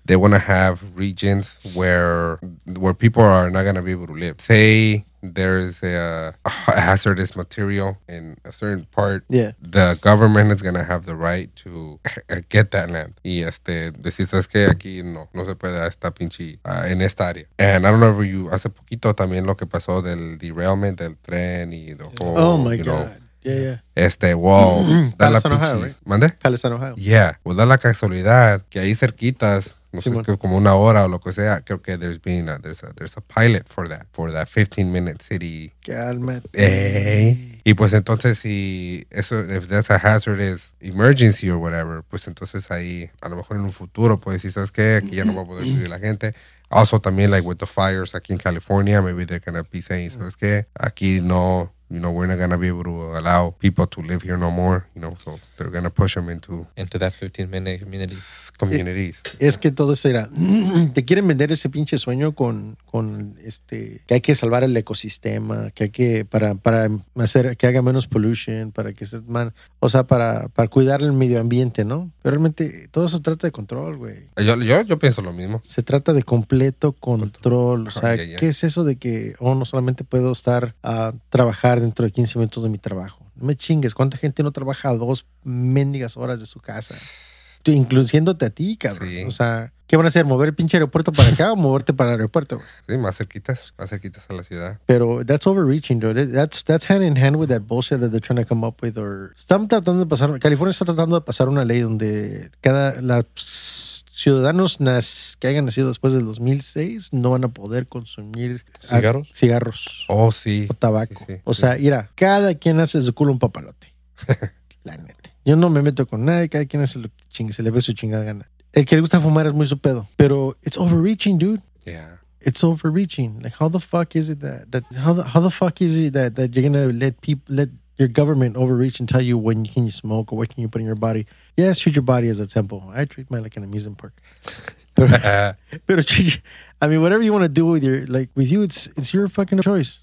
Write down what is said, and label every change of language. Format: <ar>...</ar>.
<en>They want to have regions where people are not going to be able to live. Say there is a hazardous material in a certain part. Yeah. The government is going to have the right to get that land.</en> <es>Y decís es que aquí no se puede esta pinche en esta área.</es> <en>And I don't know if you,</en> <es>hace poquito también lo que pasó del derailment del tren y</es> <en>the whole, oh my you God. Know, yeah. Wow. Palestine, Ohio, right?</en> <es>¿Mande?</es> <en>Palestine, Ohio.</en> <es>Yeah. Well, da la casualidad que ahí cerquitas, no sé, que como una hora o lo que sea, creo que</es> <en>there's a pilot for that 15-minute city.</en> <es>Cálmate. Y pues entonces si eso,</es> <en>if that's a hazardous emergency or whatever,</en> <es>pues entonces ahí a lo mejor en un futuro puedes decir, ¿sabes qué? Aquí ya no va a poder vivir la gente. Also también</es> <en>like with the fires</en> <es>aquí en California,</es> <en>maybe they're gonna be saying,</en> <es>¿sabes qué? Aquí no...</es> <en>You know, we're not going to be able to allow people to live here no more. You know, so they're going to push them into that 15-minute community. Communities.</en> <es>Es que todo será. Te quieren vender ese pinche sueño con que hay que salvar el ecosistema, que hay que, para hacer, que haga menos pollution, para que se, man, o sea, para cuidar el medio ambiente, ¿no? Pero realmente todo eso trata de control, güey. Yo pienso lo mismo. Se trata de completo control. O sea, ¿qué es eso de que, no solamente puedo estar a trabajar dentro de 15 minutos de mi trabajo? No me chingues, ¿cuánta gente no trabaja 2 mendigas horas de su casa? Incluyéndote a ti, cabrón. Sí. O sea, ¿Qué van a hacer? ¿Mover el pinche aeropuerto para acá o moverte para el aeropuerto? Sí, más cerquitas a la ciudad.</es> <en>Pero that's overreaching, dude. That's hand in hand with that bullshit that they're trying to come up with.</en> <es>Or están tratando de pasar, California está tratando de pasar una ley donde cada los ciudadanos que hayan nacido después del 2006 no van a poder consumir cigarros. Oh, sí. O tabaco. Sí, sí, o sea, sí. Mira, cada quien hace de su culo un papalote. La neta. Yo no me meto con nadie, cada quien hace lo que chingue, se le ve su chingada gana. El que le gusta fumar es muy su pedo.</es> <en>Pero it's overreaching, dude. Yeah. It's overreaching. Like, how the fuck is it that you're gonna let your government overreach and tell you when can you smoke or what can you put in your body? Yes, treat your body as a temple. I treat mine like an amusement park. I mean, whatever you want to do with your, like, with you, it's your fucking choice.</en>